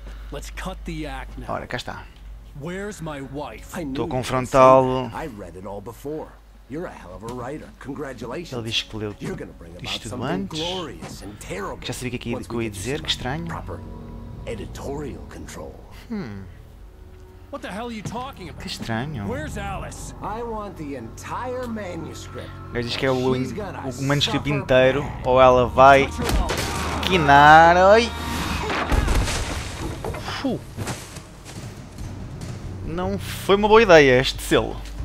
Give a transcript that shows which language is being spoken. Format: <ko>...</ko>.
<en>Let's cut the act now.</en> <pt>Ora, cá está.</pt> <en>Where's my wife?</en> <pt>Estou a confrontá-lo.</pt> <en>I read it all before. You're a hell of a writer. Congratulations.</en> <pt>Ele diz que leu tudo. Isto antes. Já sabia que aqui ia dizer, que estranho.</pt> <en>Proper editorial control. What the hell are you talking about?</en> <pt>Que estranho.</pt> <en>Where's Alice? I want the entire manuscript.</en> <pt>Ele diz que é o manuscrito inteiro. Ou ela vai quinar. Oi. não foi uma boa ideia este selo.</pt>